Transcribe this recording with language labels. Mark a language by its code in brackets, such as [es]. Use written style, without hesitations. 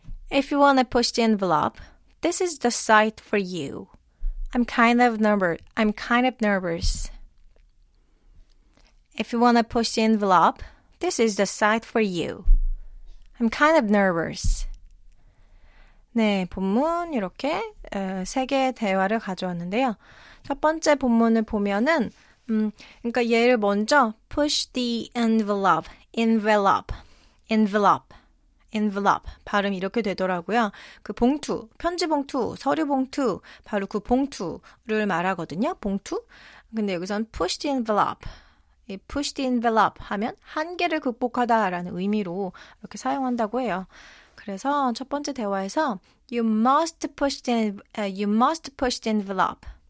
[en] If you want to push the envelope, this is the site for you. I'm kind of nervous. If you want to push the envelope, this is the site for you. I'm kind of nervous. [ko] 네, 본문 이렇게 세 개의 대화를 가져왔는데요. 첫 번째 본문을 보면은 그러니까 얘를 먼저 [en] push the envelope, envelope, envelope, envelope [ko] 발음 이렇게 되더라고요. 그 봉투, 편지 봉투, 서류 봉투 바로 그 봉투를 말하거든요. 봉투. 근데 여기선 [en] push the envelope. Push the envelope [ko] 하면 한계를 극복하다 라는 의미로 이렇게 사용한다고 해요. 그래서 첫 번째 대화에서 [en] You must push the envelope.